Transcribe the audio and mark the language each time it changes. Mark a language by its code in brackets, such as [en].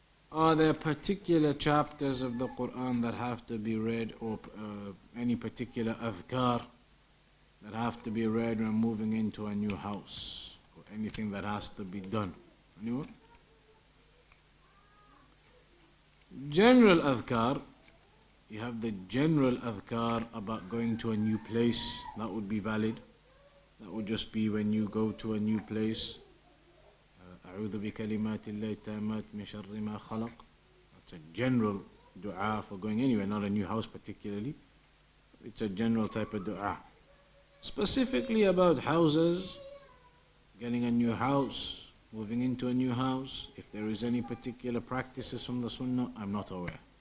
[en] Are there particular chapters of the Qur'an that have to be read, or any particular adhkar that have to be read when moving into a new house, or anything that has to be done? Anyone? General adhkar, you have the general adhkar about going to a new place, that would be valid. That would just be when you go to a new place. [ar] أعوذ بكلمات الله التامات من شر ما خلق. [en] That's a general dua for going anywhere, not a new house particularly. It's a general type of dua. Specifically about houses, getting a new house, moving into a new house, if there is any particular practices from the sunnah, I'm not aware.